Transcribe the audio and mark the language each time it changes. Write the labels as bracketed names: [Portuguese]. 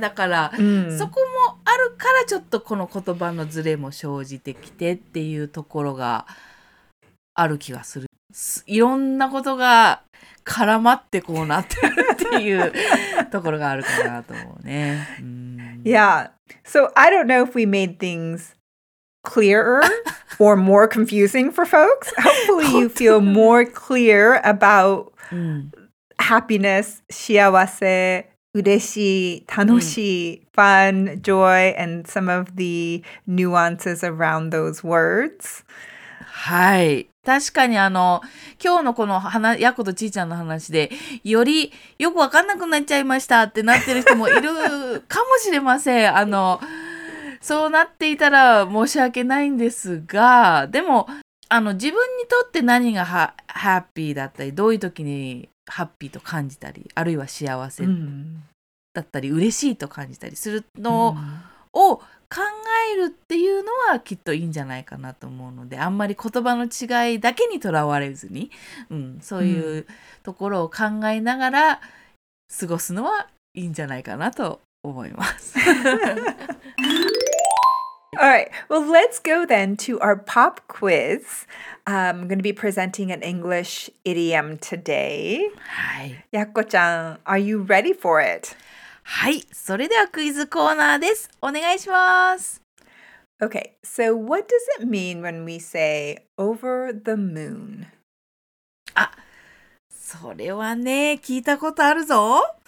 [Japanese] だから、そこもあるからちょっとこの言葉のズレも生じてきてっていうところがある気がする。いろんなことが絡まってこうなってるっていうところがあるかなと思うね。 [English] Yeah, so I don't know if we made things clearer or more confusing for folks. Hopefully you feel more clear about happiness, shiawase, ureshii, tanoshii, fun, joy, and some of the nuances around those words. [Japanese] はい。確かに今日のこの話、やことちーちゃんの話で、よりよくわかんなくなっちゃいましたってなってる人もいるかもしれません。そうなっていたら申し訳ないんですが、でも、自分にとって何がハッピーだったり、どういう時にハッピーと感じたり、あるいは幸せだったり、嬉しいと感じたりするのを、考えるっていうのはきっといいんじゃないかなと思うので、あんまり言葉の違いだけにとらわれずに、そういうところを考えながら過ごすのはいいんじゃないかなと思います。 [English] All right, well, let's go then to our pop quiz. I'm going to be presenting an English idiom today. [Japanese] はい。 [English] Yakko-chan, are you ready for it? [Japanese] はい、それではクイズコーナーです。お願いします。 [English] Okay, so what does it mean when we say over the moon? [Japanese] あ、それはね、聞いたことあるぞ。